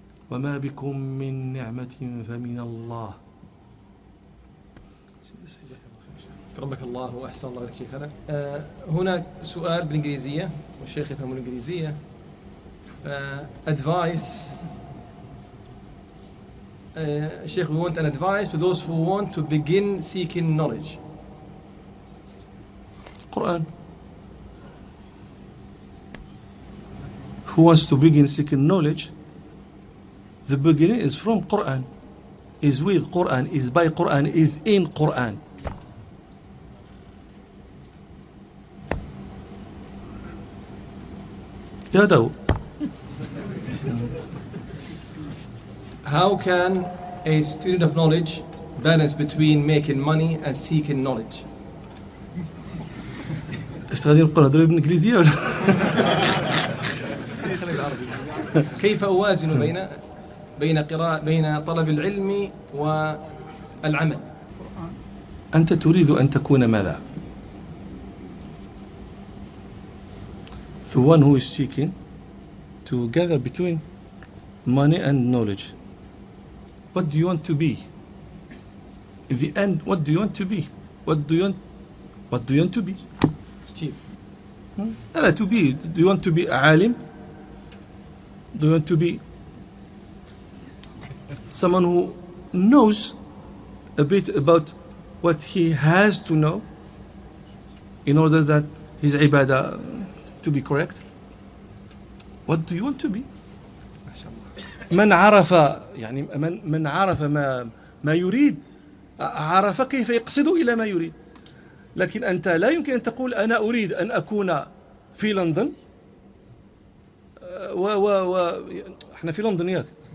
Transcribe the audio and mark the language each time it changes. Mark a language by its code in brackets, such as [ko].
[ar] وما بكم من نعمة فمن الله. ربك الله وأحسن الله لك شيخنا. هناك سؤال بالإنجليزية والشيخ يفهم الإنجليزية. [en] Advice. Sheikh, we want an advice to those who want to begin seeking knowledge. Quran. Who wants to begin seeking knowledge? The beginning is from Quran. Is with Quran. Is by Quran. Is in Quran. Yadaw. How can a student of knowledge balance between making money and seeking knowledge? [ar] استغادي القرآن دروب إنجليزية ولا؟ كيف أوازن بين قراءة بين طلب العلم والعمل؟ أنت تريد أن تكون ماذا؟ [en] The one who is seeking to gather between money and knowledge. What do you want to be? In the end, what do you want to be? What do you want to be? Chief. Hmm? To be. Do you want to be a alim? Do you want to be someone who knows a bit about what he has to know in order that his ibadah to be correct? What do you want to be? [ar] من عرف يعني من عرف ما يريد عرف كيف يقصد إلى ما يريد. لكن أنت لا يمكن أن تقول أنا أريد أن أكون في لندن و إحنا في لندن ياك.